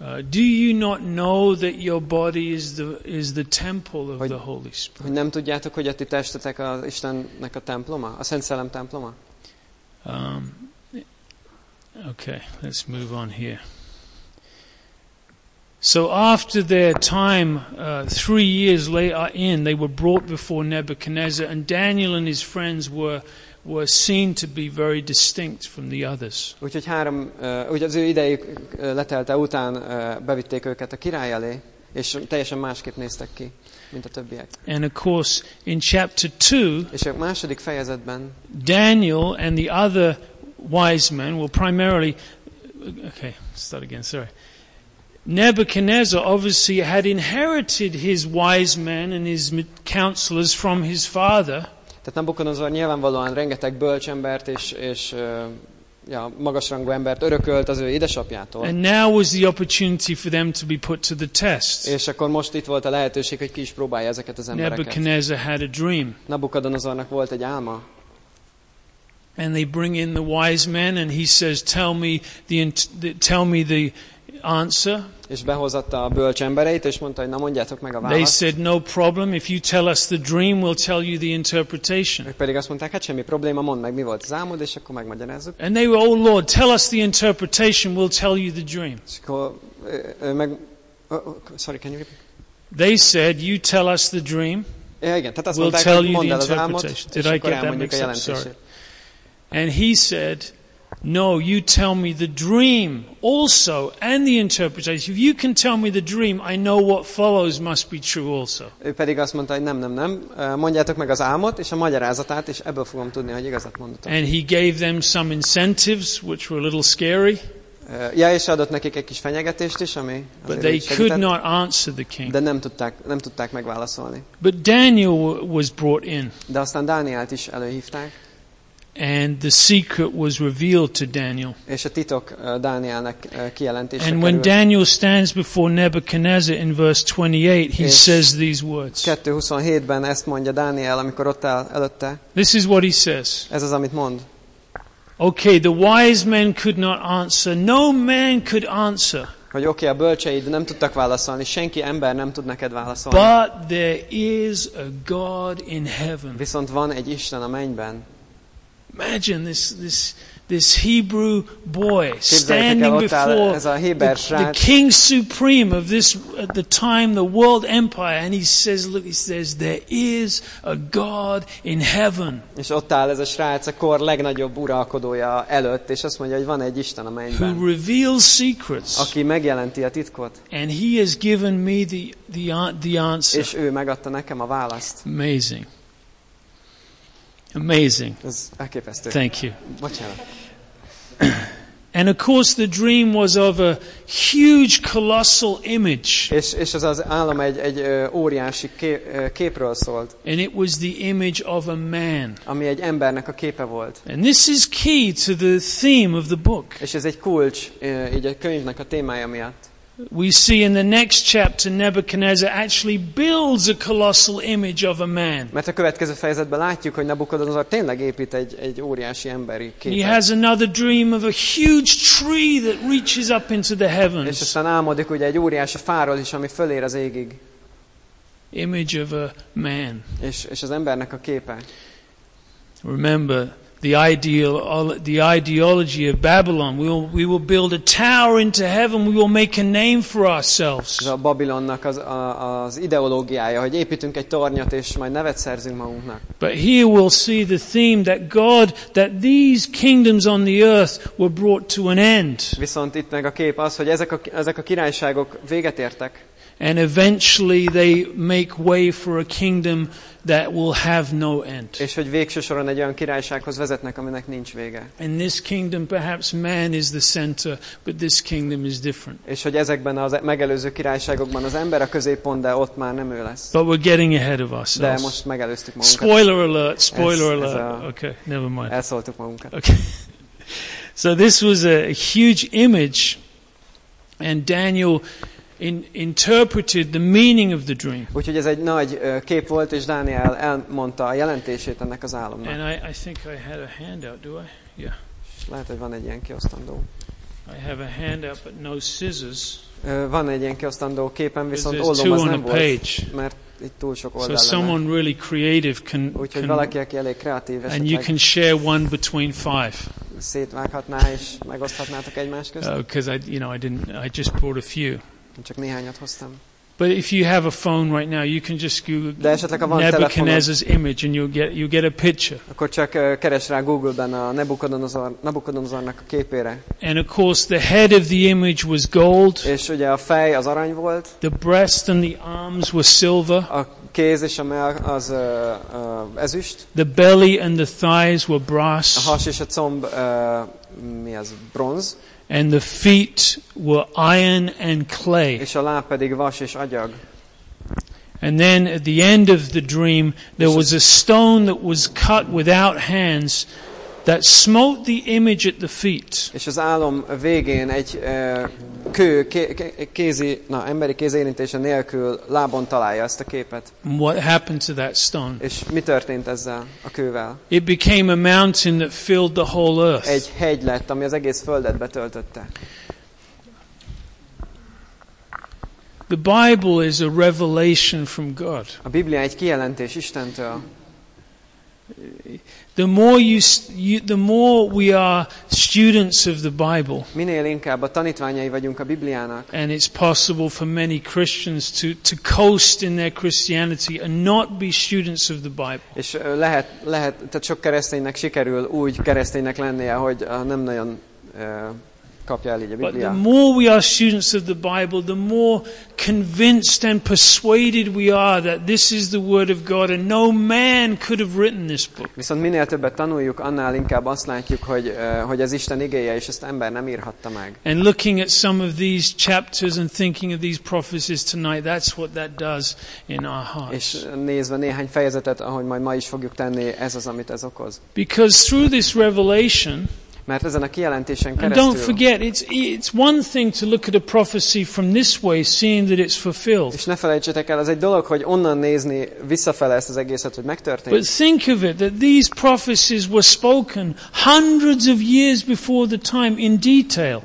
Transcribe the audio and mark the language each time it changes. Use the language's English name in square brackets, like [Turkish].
[English] Do you not know that your body is the temple of the Holy Spirit? [Hungarian] Hogy nem tudjátok, hogy a ti testetek az Istennek a temploma, a Szent Szellem temploma? [English] Okay, let's move on here. So after their time, 3 years later in, they were brought before Nebuchadnezzar, and Daniel and his friends were seen to be very distinct from the others. [Hungarian] Úgyhogy három, ugye az ő idejük letelte után bevitték őket a király elé, és teljesen másképp néztek ki, mint a többiek. [English] And of course, in chapter 2, [Hungarian] és a második fejezetben, [English] Daniel and the other wise men were primarily, okay, start again, sorry. Nebuchadnezzar obviously had inherited his wise men and his counselors from his father. [Hungarian] Tehát Nabukodonozor nyilvánvalóan rengeteg bölcsembert és magasrangú embert örökölt az ő édesapjától. [English] And now was the opportunity for them to be put to the test. [Hungarian] És akkor most itt volt a lehetőség, hogy ki is próbálja ezeket az embereket. [English] Nebuchadnezzar had a dream. [Hungarian] Nabukodonozornak volt egy álma. [English] And they bring in the wise men and he says, tell me the answer. [Hungarian] És behozatta a bölcs embereit, és mondta, hogy na, mondjátok meg a választ. [English] They said, no problem, if you tell us the dream, we'll tell you the interpretation. [Hungarian] Ők pedig azt mondták, hát semmi probléma, mondd meg, mi volt az álmod, és akkor megmagyarázzuk. [English] And they were, oh Lord, tell us the interpretation, we'll tell you the dream. [Hungarian] És akkor, [English] can you repeat? They said, you tell us the dream, we'll tell you the interpretation. Did I get that mixed up? Sorry. And he said, no, you tell me the dream also and the interpretation. If you can tell me the dream, I know what follows must be true also. [Hungarian] Ő pedig azt mondta, hogy nem. Mondjátok meg az álmot és a magyarázatát, és ebből fogom tudni, hogy igazat mondtok. [English] And he gave them some incentives, which were a little scary. [Hungarian] És adott nekik egy kis fenyegetést is, ami. [English] But they could not answer the king. [Hungarian] De nem tudták megválaszolni. [English] But Daniel was brought in. [Hungarian] De aztán Dánielt is előhívták. [English] And the secret was revealed to Daniel. [Hungarian] És a titok Dánielnek kijelentése. [English] And when Daniel stands before Nebuchadnezzar in verse 28, he says these words. [Hungarian] 2:27-ben ezt mondja Dániel, amikor ott áll előtte. [English] This is what he says. [Hungarian] Ez az, amit mond. [English] Okay, the wise men could not answer. No man could answer. [Hungarian] Hogy oké, a bölcseid nem tudtak válaszolni, senki ember nem tud neked válaszolni. [English] But there is a God in heaven. [Hungarian] Viszont van egy Isten a mennyben. [English] Imagine this This Hebrew boy standing before the king supreme of this at the time, the world empire, and he says, "Look," he says, "there is a God in heaven." [Hungarian] És ott áll ez a srác a kor legnagyobb uralkodója előtt, és azt mondja, hogy van egy Isten a mennyben. [English] Who reveals secrets? [Hungarian] Aki megjelenti a titkot. [English] And he has given me the answer. [Hungarian] És ő megadta nekem a választ. [English] Amazing. Amazing. Thank you. And of course the dream was of a huge colossal image. [Hungarian] És az álom egy óriási képről szólt. [English] And it was the image of a man. [Hungarian] Ami egy embernek a képe volt. [English] And this is key to the theme of the book. [Hungarian] És ez egy kulcs így a könyvnek a témája miatt. [English] We see in the next chapter Nebuchadnezzar actually builds a colossal image of a man. [Hungarian] Mert a következő fejezetben látjuk, hogy Nebuchadnezzar tényleg épít egy óriási emberi képet. [English] He has another dream of a huge tree that reaches up into the heavens. [Hungarian] És aztán álmodik ugye egy óriási fáról is, ami fölér az égig. [English] Image of a man. [Hungarian] És az embernek a képe. [English] Remember the ideology of Babylon. We will build a tower into heaven. We will make a name for ourselves. [Hungarian] A Babilonnak az ideológiája, hogy építünk egy tornyot és majd nevet szerzünk magunknak. [English] But here we'll see the theme that God, that these kingdoms on the earth were brought to an end. [Hungarian] Viszont itt meg a kép az, hogy ezek a királyságok véget értek. [English] And eventually they make way for a kingdom that will have no end. [Hungarian] És hogy végső soron egy olyan királysághoz vezetnek, aminek nincs vége. [English] In this kingdom perhaps man is the center, but this kingdom is different. [Hungarian] És hogy ezekben az megelőző királyságokban az ember a középpont, de ott már nem ő lesz. [English] But we're getting ahead of ourselves. [Hungarian] De most megelőztük magunkat. [English] Spoiler alert. Okay, never mind. [Hungarian] Elszóltuk magunkat. [English] Okay. So this was a huge image, and Daniel interpreted the meaning of the dream. Úgyhogy ez egy nagy kép volt, és Dániel elmondta a jelentését ennek az álomnak. And I think I had a handout, do I? Yeah. [Hungarian] Lehet, hogy van egy ilyen kiosztandó. [English] I have a handout, but no scissors. [Hungarian] Van egy ilyen kiosztandó képen, viszont ollom az nem volt, mert itt túl sok oldal lenne. [English] So someone really creative can. [Hungarian] Úgyhogy valaki, aki elég kreatív. [English] And you can share one between five. [Hungarian] Szétvághatná és megoszthatnátok egymás között. [English] Because I just brought a few. [Hungarian] Csak néhányat hoztam. [English] But if you have a phone right now, you can just Google Nebuchadnezzar's image and you'll get a picture. [Hungarian] Akkor csak keres rá Google-ben a Nebuchadnezzar-nak a képére. [English] And of course the head of the image was gold. [Hungarian] És ugye a fej az arany volt. [English] The breast and the arms were silver. [Hungarian] A kéz és a mell az ezüst. [English] The belly and the thighs were brass. [Hungarian] A has és a comb mi az, bronz. [English] And the feet were iron and clay. [Hungarian] És a láb pedig vas és agyag. [English] And then at the end of the dream there was a stone that was cut without hands that smote the image at the feet. [Hungarian] És az álom végén egy kő emberi kéz érintése nélkül lábon találja ezt a képet. [English] What happened to that stone? [Hungarian] És mi történt ezzel a kővel? [English] It became a mountain that filled the whole earth. [Hungarian] Egy hegy lett, ami az egész földet betöltötte. [English] The Bible is a revelation from God. [Hungarian] A Biblia egy kijelentés Istentől. [English] The more we are students of the Bible. [Hungarian] Minél inkább a tanítványai vagyunk a Bibliának. [English] And it's possible for many Christians to coast in their Christianity and not be students of the Bible. [Hungarian] És lehet, tehát sok kereszténynek sikerül úgy kereszténynek lennie, hogy nem nagyon kapja el így a Bibliát. [English] But the more we are students of the Bible, the more convinced and persuaded we are that this is the word of God and no man could have written this book. [Hungarian] Viszont minél többet tanuljuk, annál inkább azt látjuk, hogy ez Isten igéje, és ezt ember nem írhatta meg. [English] And looking at some of these chapters and thinking of these prophecies tonight, that's what that does in our hearts. [Hungarian] És nézve néhány fejezetet, ahogy majd ma is fogjuk tenni, ez az, amit ez okoz. [English] Because through this revelation, [Hungarian] mert ezen a kijelentésen keresztül. [English] And don't forget, it's one thing to look at a prophecy from this way, seeing that it's fulfilled. [Hungarian] És ne felejtsetek el, ez egy dolog, hogy onnan nézni visszafele ezt az egészet, hogy megtörtént. [English] But think of it, that these prophecies were spoken hundreds of years before the time in detail.